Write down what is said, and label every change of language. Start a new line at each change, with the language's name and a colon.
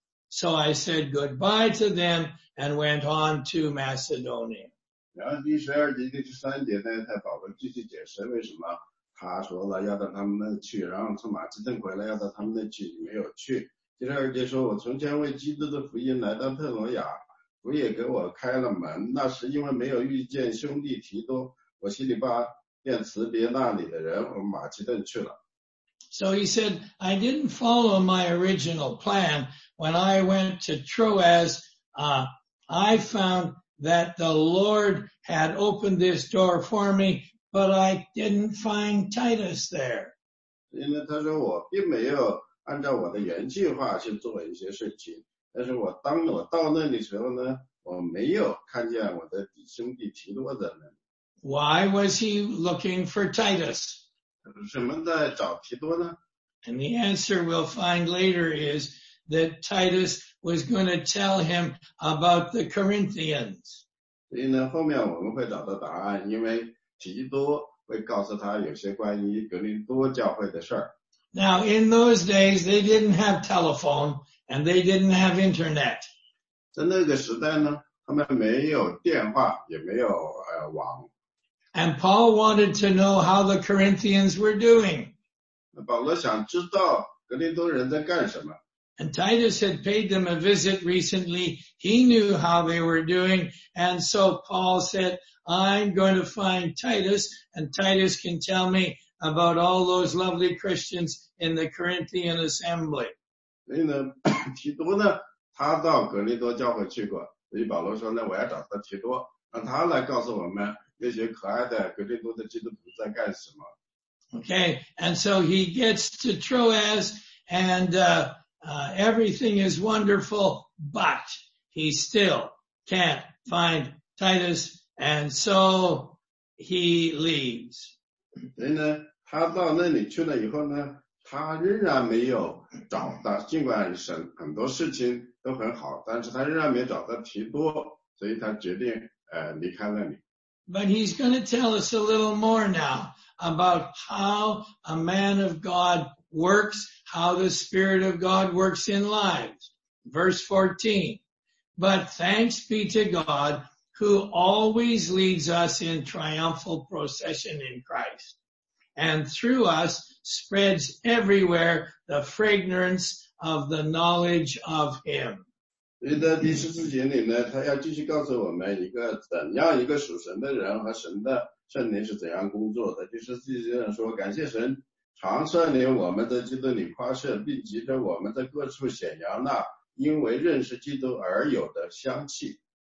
English: So I said goodbye to them and went on to Macedonia.
Chinese: 然后第十二节第十三节呢，他保罗继续解释为什么他说了要到他们那去，然后从马其顿回来要到他们那去，你没有去。第十二节说，我从前为基督的福音来到特罗亚，主也给我开了门，那是因为没有遇见兄弟提多，我心里便辞别那里的人，往马其顿去了。
English: So he said, I didn't follow my original plan. When I went to Troas, I found that the Lord had opened this door for me, but I didn't find Titus there.
Chinese: 因为他说我并没有按照我的原计划去做一些事情，但是我当我到那里时候呢，我没有看见我的兄弟提多在那里。
English: Why was he looking for Titus?
Chinese: 什么在找提多呢?
English: And the answer we'll find later is that Titus was going to tell him about the Corinthians.
Chinese: 所以呢，后面我们会找到答案，因为提多会告诉他有些关于格林多教会的事儿。
English: Now in those days they didn't have telephone and they didn't have internet.
Chinese: 在那个时代呢，他们没有电话，也没有网。
English: And Paul wanted to know how the Corinthians were doing.
Chinese: 保罗想知道格林多人在干什么。
English: And Titus had paid them a visit recently. He knew how they were doing. And so Paul said, I'm going to find Titus, and Titus can tell me about all those lovely Christians in the Corinthian assembly.
Chinese: 所以呢，提多呢，他到格林多教会去过。所以保罗说呢，我要找他提多，让他来告诉我们那些可爱的格林多的基督徒在干什么。
English: Okay, and so he gets to Troas, and everything is wonderful, but he still can't find Titus, and so he leaves.
Chinese: 所以呢，他到那里去了以后呢，他仍然没有找到，尽管神很多事情都很好，但是他仍然没有找到提多，所以他决定离开那里。
English: But he's going to tell us a little more now about how a man of God works, how the Spirit of God works in lives. Verse 14. But thanks be to God who always leads us in triumphal procession in Christ and through us spreads everywhere the fragrance of the knowledge of Him.
Chinese: 所以第十四节里呢，他要继续告诉我们一个怎样一个属神的人和神的圣灵是怎样工作的。第十四节上说，感谢神常率领我们在基督里夸胜，并急着我们在各处显扬那因为认识基督而有的香气。